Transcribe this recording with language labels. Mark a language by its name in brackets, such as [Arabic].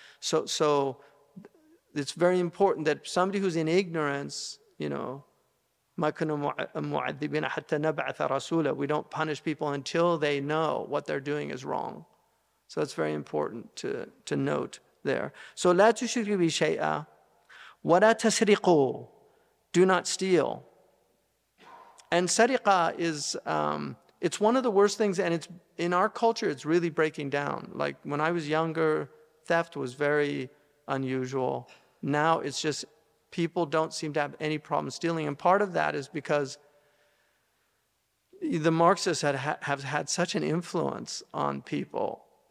[English] So it's very important that somebody who's in ignorance, you know, [Arabic] مَكُنُوا مُعَذِّبِينَ حَتَّى نَبْعَثَ رَسُولًا. [English] We don't punish people until they know what they're doing is wrong. So that's very important to note there. [Arabic] So لا تشركوا بي شيئا ولا تسرقوا. [English] Do not steal. And سرقة is, it's one of the worst things, and it's in our culture, it's really breaking down. Like when I was younger, theft was very unusual. Now it's just people don't seem to have any problem stealing. And part of that is because the Marxists have had such an influence on people.